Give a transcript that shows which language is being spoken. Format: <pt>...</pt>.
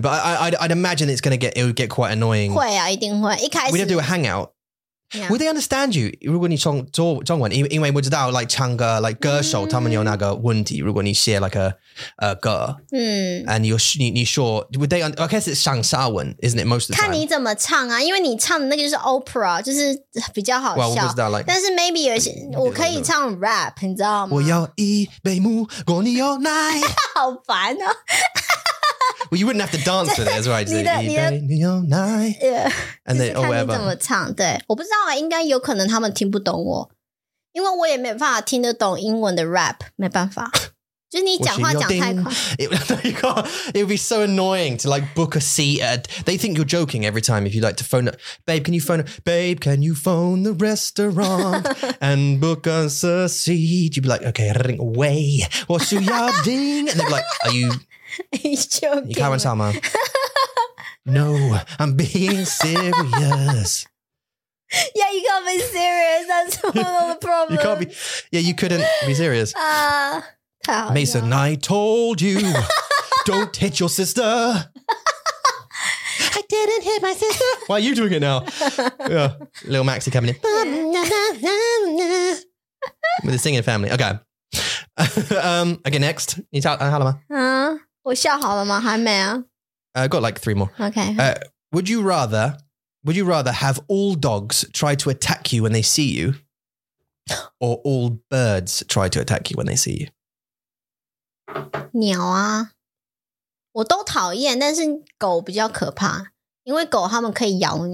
<en>But I'd imagine it's gonna get it would get quite annoying.</en> <zh>会啊，一定会。一开始</zh> <en>we'd have to do a hangout. Yeah. Would they understand you?</en> <zh>如果你唱中文，因为我知道 like 唱歌 like 歌手、他们有那个问题。如果你写</zh> <en>like a 歌，and you sure would they? I guess it's 上下文 isn't it? Most of the time.</en> <zh>看你怎么唱啊，因为你唱的那个就是 opera， 就是比较好笑。 Well, 我不知道 like，但是 maybe 有些我可以唱 rap， 你知道吗？我要一杯木果牛奶，好烦啊。</zh> <en>Well, you wouldn't have to dance with it, that's right. Just like, yeah. And then, or whatever.</en> <zh>看你怎么唱，对，我不知道啊，应该有可能他们听不懂我，因为我也没办法听得懂英文的 rap， 没办法。就是你讲话讲太快。</zh> <en>It would be so annoying to like book a seat. They think you're joking every time if you like to phone up. Babe, can you phone up? Babe, can you phone the restaurant and book us a seat? You'd be like, okay, ring away. What should you ding? And they'd be like, are you... He's joking. You can't No, I'm being serious. Yeah, you can't be serious. That's one of the problems. You can't be. Yeah, you couldn't be serious. Mason, I told you, don't hit your sister. I didn't hit my sister. Why are you doing it now? Yeah, little Maxie coming in. With the singing family. Okay. Okay, next. You tell me. I've got like three more. Okay. Would you rather have all dogs try to attack you when they see you or all birds try to attack you when they see you?</en> <zh>鸟啊，我都讨厌，但是狗比较可怕，因为狗他们可以咬你。</zh>